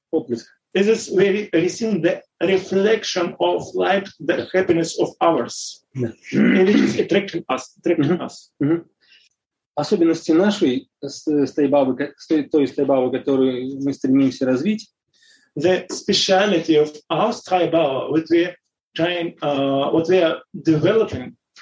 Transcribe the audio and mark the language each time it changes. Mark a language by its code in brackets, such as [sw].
[ru] отблеск. [en] This is where we see the reflection of light, the happiness of ours. Yeah. It is attracting us. Attracting mm-hmm. us. Mm-hmm. [ru] Особенности нашей стейбавы, той стейбавы, которую мы стремимся развить. [en] The speciality of our стейбава, what we are trying, what we are developing.